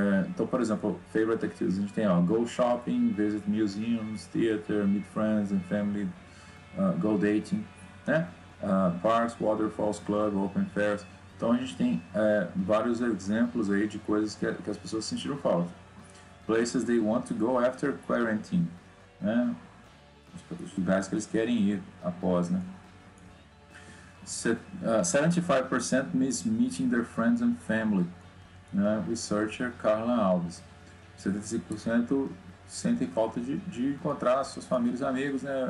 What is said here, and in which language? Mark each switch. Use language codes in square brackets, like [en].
[pt] Então, por exemplo, [en] favorite activities, [pt] a gente tem, ó, [en] go shopping, visit museums, theater, meet friends and family, go dating, né? Parks, waterfalls, club, open fairs. [pt] Então, a gente tem vários exemplos aí de coisas que as pessoas sentiram falta. [en] Places they want to go after quarantine, né? [pt] Os lugares que eles querem ir após, né? [en] 75% miss meeting their friends and family, [pt] né? Researcher Carla Alves. 75% sentem falta de encontrar suas famílias e amigos, né?